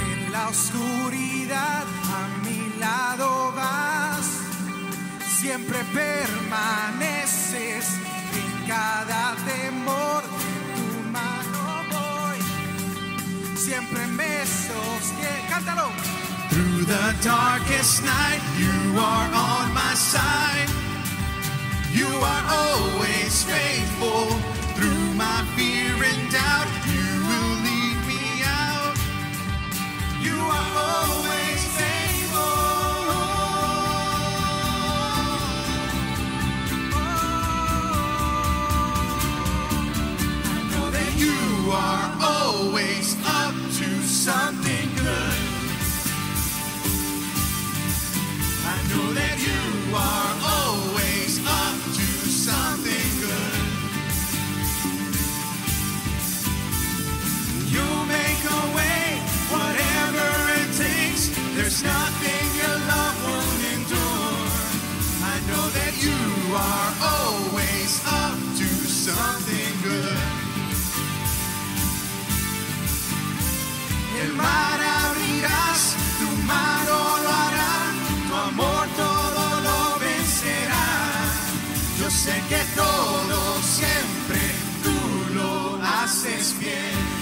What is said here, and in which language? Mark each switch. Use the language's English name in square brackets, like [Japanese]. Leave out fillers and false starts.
[Spanish] La oscuridad a mi lado vas, siempre permaneces, en cada temor de tu mano voy, siempre me sostiene. Cántalo. [English] Through the darkest night, you are on my side, you are always faithful. Through my fear and doubt, you will lead me out. You are always faithful. Oh. I know that you are always up to something good. I know that you are always up to something good. You'll make a way. Whatever it takes, there's nothing your love won't endure. I know that you are always up to something good. [Spanish] El mar abrirás, tu mano lo hará, tu amor todo lo vencerá. Yo sé que todo siempre tú lo haces bien.